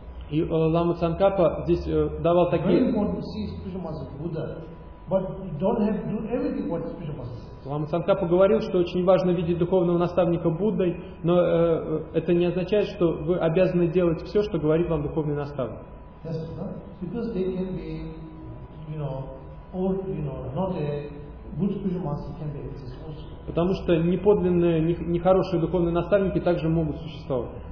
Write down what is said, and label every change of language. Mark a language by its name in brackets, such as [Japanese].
[Russian] И Лама Цанкапа здесь давал такие. [English] Very important to see spiritual master Buddha. But you don't have to do everything what spiritual master says. [Russian] Лама Цанкапа говорил, что очень важно видеть духовного наставника Буддой, но это не означает, что вы обязаны делать все, что говорит вам духовный наставник. [English] Yes, because they can be, you know, or you know, not a good spiritual master can be exist also. [Russian] Потому что неподлинные, нехорошие духовные наставники также могут существовать.